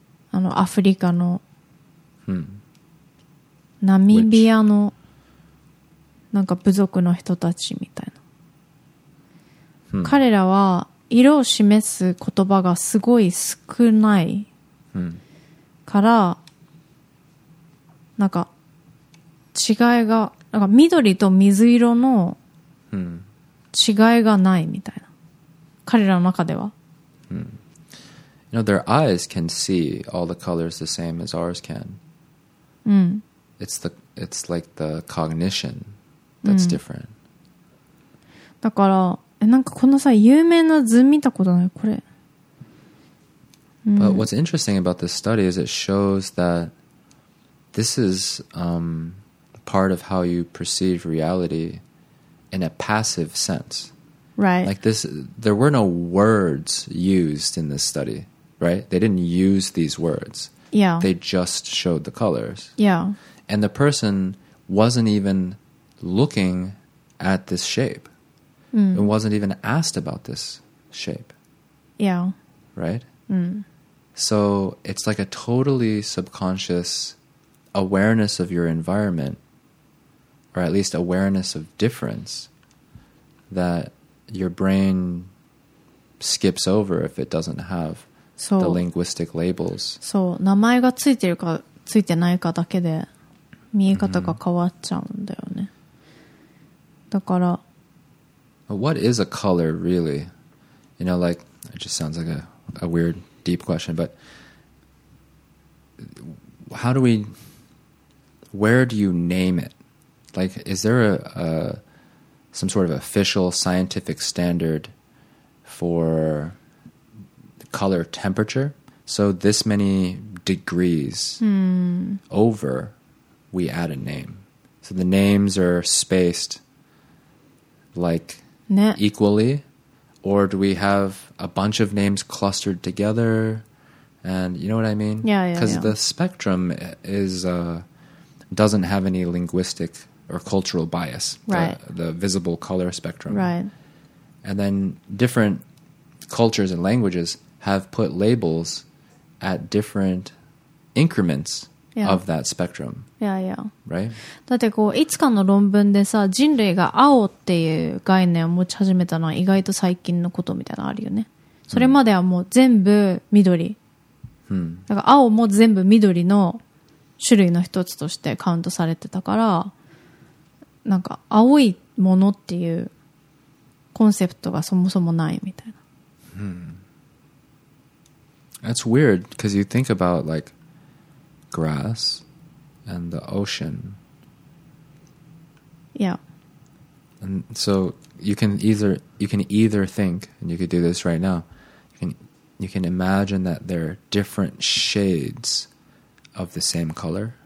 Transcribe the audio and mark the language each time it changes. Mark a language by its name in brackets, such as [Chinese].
[Japanese] あのアフリカの、ナミビアのなんか部族の人たちみたいな、彼らは色を示す言葉がすごい少ないから、なんか違いが、なんか緑と水色の違いがないみたいな、彼らの中では。 [English] You know, their eyes can see all the colors the same as ours can. It's like the cognition that's different. [Japanese] だから、なんかこのさ、有名な図見たことない？これ。 [English] But what's interesting about this study is it shows that this is part of how you perceive reality in a passive sense. Right. Like this, there were no words used in this study, right? They didn't use these words. Yeah. They just showed the colors. Yeah. And the person wasn't even looking at this shape. It wasn't even asked about this shape. Yeah. Right? So it's like a totally subconscious awareness of your environment, or at least awareness of difference, that your brain skips over if it doesn't have the linguistic labels. [Japanese] そう、名前がついてるかついてないかだけで見え方が変わっちゃうんだよね。だから、 [English] What is a color, really? You know, like, it just sounds like a weird, deep question, but how do we, where do you name it? Like, is there a some sort of official scientific standard for color temperature? So this many degrees over, we add a name. So the names are spaced, like... ね、 equally, or do we have a bunch of names clustered together? And you know what I mean? Yeah, yeah. Because the spectrum is doesn't have any linguistic or cultural bias. Right. The visible color spectrum. Right. And then different cultures and languages have put labels at different increments. Yeah. Of that spectrum. Yeah, yeah. Right? [Japanese] だってこういつかの論文でさ、人類が青っていう概念を持ち始めたのは意外と最近のことみたいなのあるよね。それまではもう全部緑。だから青も全部緑の種類の一つとしてカウントされてたから、なんか青いものっていうコンセプトがそもそもないみたいな。 [English] That's weird because you think about like,grass and the ocean. Yeah. And so you can either think, and you could do this right now, you can imagine that there are different shades of the same color.